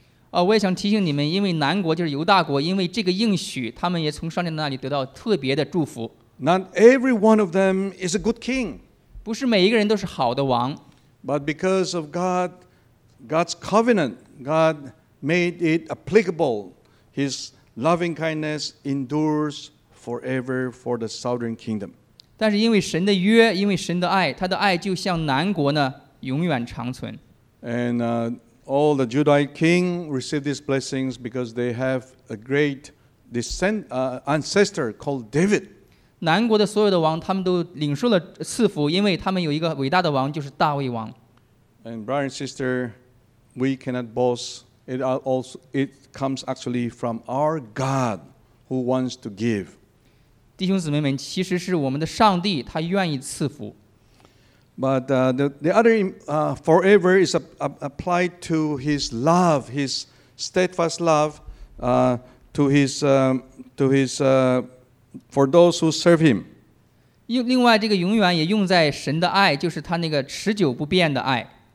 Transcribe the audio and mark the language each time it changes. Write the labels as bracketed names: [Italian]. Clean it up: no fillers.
[Chinese] 我也想提醒你们，因为南国就是犹大国，因为这个应许，他们也从上帝那里得到特别的祝福。 [English] Not every one of them is a good king. [Chinese] 不是每一个人都是好的王。 [English] But because of God's covenant, God made it applicable. His loving kindness endures forever for the southern kingdom. [Chinese] 但是因为神的约，因为神的爱，他的爱就像南国呢，永远长存。 [English] And all the Judahite king received these blessings because they have a great descent ancestor called David. [Chinese] 南国的所有的王，他们都领受了赐福，因为他们有一个伟大的王，就是大卫王。 [English] And brother and sister, we cannot boast. It comes actually from our God who wants to give. [Chinese] 弟兄姊妹们，其实是我们的上帝，他愿意赐福。 [English] But the other forever is applied to his love, his steadfast love, for those who serve him. [Chinese] 另外这个永远也用在神的爱，就是他那个持久不变的爱。